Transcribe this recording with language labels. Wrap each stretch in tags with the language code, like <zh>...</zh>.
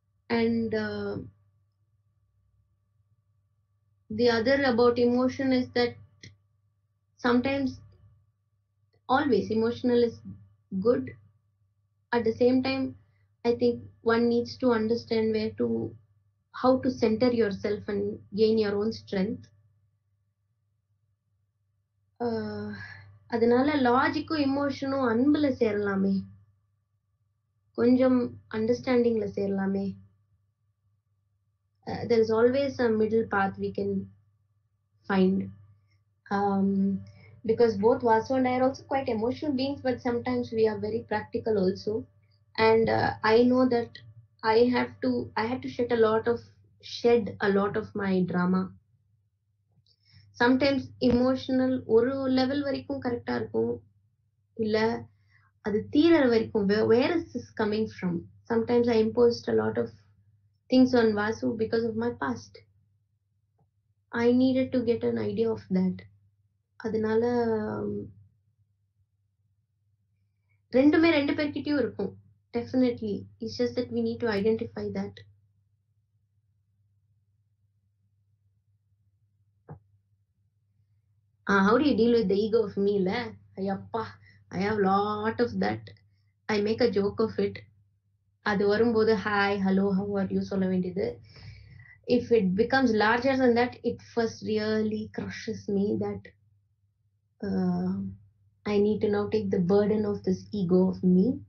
<en>And the other about emotion is that sometimes, always emotional is good. At the same time, I think one needs to understand where to, how to center yourself and gain your own strength.</en> <ta>அதனால லாஜிக்கும் இமோஷனும் அன்புல சேரலாமே, கொஞ்சம் அண்டர்ஸ்டாண்டிங்ல சேரலாமே.</ta> <en>There is always a middle path we can find. Because both Vasu and I are also quite emotional beings, but sometimes we are very practical also. And I know that I had to shed a lot of my drama.</en> <ta>Sometimes emotional ஒரு level வரைக்கும் கரெக்டாக இருக்கும், இல்லை அது தீரர் வரைக்கும்</ta> <en>Where is this coming from. Sometimes I impose a lot of things on Vasu because of my past. I need to get an idea of that.</en> <ta>அதனால ரெண்டுமே ரெண்டு பேர்கிட்டயும் இருக்கும்</ta> <en>Definitely. It's just that we need to identify that. How do you deal with the ego of me? I have a lot of that. I make a joke of it.</en> <ta>அது வரும்போது</ta> <en>hi hello how are you</en> <ta>சொல்ல வேண்டியது.</ta> <en>If it becomes larger than that, it first really crushes me that I need to now take the burden of this ego of me.</en>